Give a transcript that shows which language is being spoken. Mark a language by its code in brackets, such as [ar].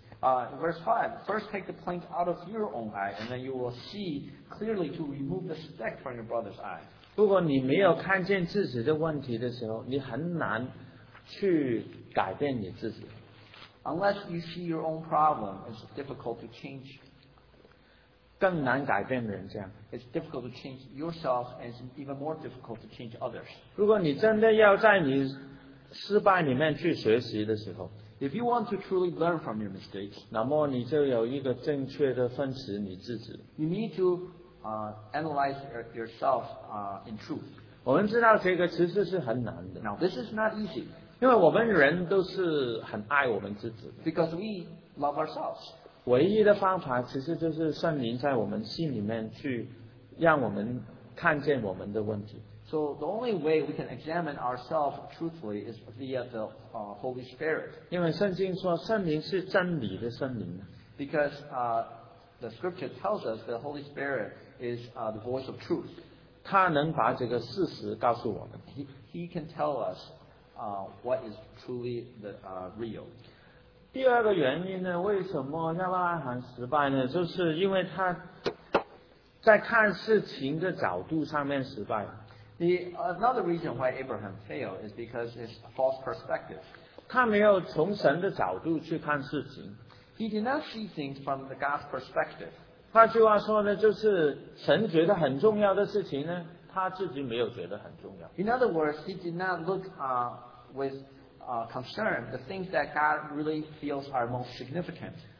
[en] Verse 5, first take the plank out of your own eye, and then you will see clearly to remove the speck from your brother's eye. [zh] 如果你没有看见自己的问题的时候，你很难去改变你自己。 [en] Unless you see your own problem, it's difficult to change. [zh] 更难改变人这样。 [en] It's difficult to change yourself, and it's even more difficult to change others. [zh] 如果你真的要在你失败里面去学习的时候， [en] If you want to truly learn from your mistakes, [zh] 那么你就有一个正确的分析你自己。 [en] You need to analyze yourself in truth. [zh] 我们知道这个其实是很难的。 [en] Now, this is not easy. [zh] 因为我们人都是很爱我们自己。 [en] Because we love ourselves. [zh] 唯一的方法其实就是圣灵在我们心里面去让我们看见我们的问题。 [en] So the only way we can examine ourselves truthfully is via the Holy Spirit. [zh] 因为圣经说圣灵是真理的圣灵。 [en] Because the scripture tells us the Holy Spirit is the voice of truth. [zh] 他能把这个事实告诉我们。 [en] He can tell us what is truly the real. [zh] 第二个原因呢，为什么亚伯拉罕失败呢？就是因为他在看事情的角度上面失败。 [en] The another reason why Abraham failed is because his false perspective. [zh] 他没有从神的角度去看事情。 [en] He did not see things from the God's perspective. [zh] 换句话说呢，就是神觉得很重要的事情呢，他自己没有觉得很重要。 [en] In other words, he did not look with concern the things that God really feels are most significant.